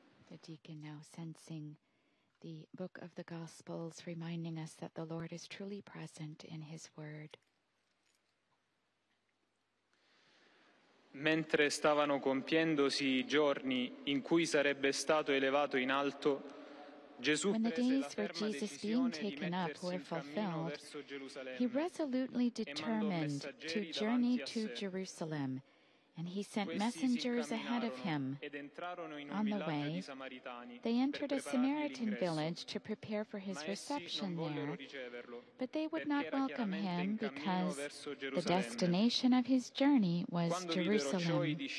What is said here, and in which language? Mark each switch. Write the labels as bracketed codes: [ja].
[en] The deacon now sensing the book of the Gospels, reminding us that the Lord is truly present in his word. [it] Mentre stavano compiendosi i giorni in cui sarebbe stato elevato in alto, Gesù prese la ferma decisione di mettersi in cammino verso Gerusalemme e mandò messaggeri da parte sua. [en] And he sent messengers ahead of him. On the way, they entered a Samaritan village to prepare for his reception there. But they would not welcome him because the destination of his journey was Jerusalem.